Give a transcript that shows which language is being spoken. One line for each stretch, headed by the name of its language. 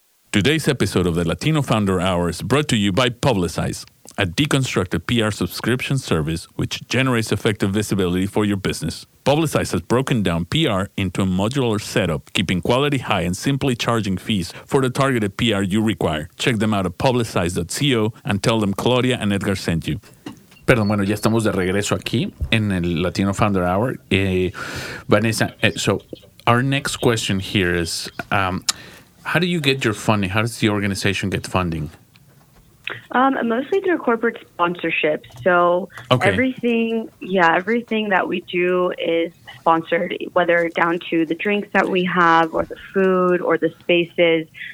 English: Today's episode of the Latino Founder Hour is brought to you by Publicize, a deconstructed PR subscription service which generates effective visibility for your business. Publicize has broken down PR into a modular setup, keeping quality high and simply charging fees for the targeted PR you require. Check them out at publicize.co and tell them Claudia and Edgar sent you.
Spanish: Perdón, bueno, ya estamos de regreso aquí en el Latino Founder Hour.
English: Vanessa, so our next question here is, how do you get your funding? How does the organization get funding? Mostly through corporate sponsorships. So everything that we do is sponsored, whether down to the drinks that we have or the food or the spaces.